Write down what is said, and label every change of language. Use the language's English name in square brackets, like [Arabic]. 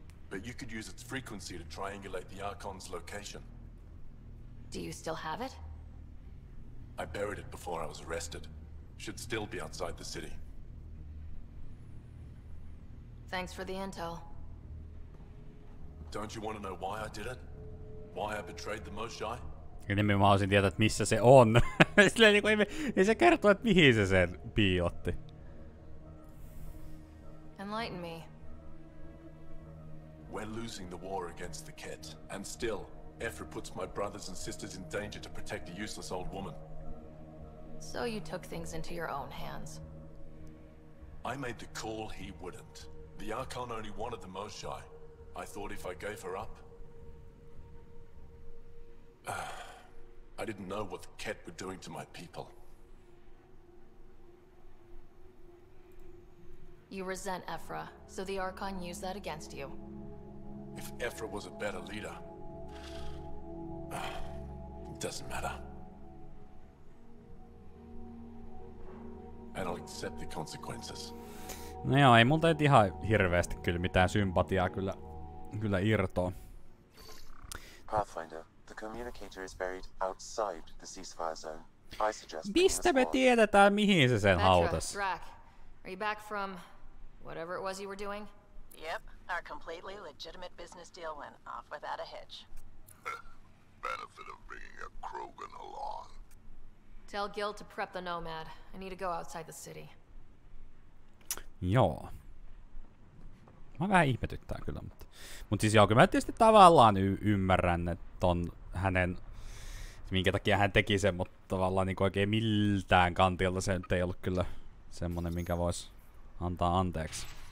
[English] But you could use its frequency to triangulate the Archon's location. Do you still have it? I buried it before I was arrested. Should still be outside the city. Thanks for the intel. Don't you want to know why I did it? Why I betrayed the Moshi? [Finnish] Enemmän mä haluaisin tietää, että missä se on. Silleen niinku ei se kertoo, että mihin se sen piiotti. [English] Enlighten me. We're losing the war against the Ket. And still, Ephra puts my brothers and sisters in danger to protect a useless old woman. So you took things into your own hands. I made the call he wouldn't. The Archon only wanted the Moshi. I thought if I gave her up... I didn't know what the Ket were doing to my people. You resent Ephra, so the Archon used that against you. If Ephra was a better leader... it doesn't matter. And I'll accept the consequences. [Finnish] No joo, ei multa ihan hirveästi kyllä mitään sympatiaa kyllä irtoa. [English] Pathfinder, the communicator is buried outside the ceasefire zone. I suggest... [Finnish] Mistä me tiedetään, mihin se sen hautas? [English] Petra, Drak, are you back from whatever it was you were doing? Yep, our completely legitimate business deal went off without a hitch. Benefit of bringing a Krogan along. Tell Gil to prep the Nomad. I need to go outside the city. [Finnish] Joo. Mä vähän ihmetyttää kyllä, mutta... Mut siis joo, kyllä mä tietysti tavallaan ymmärrän, että on hänen... Minkä takia hän teki sen, mutta tavallaan niin oikein miltään kantilta se nyt ei ollut kyllä semmonen, minkä vois antaa anteeksi.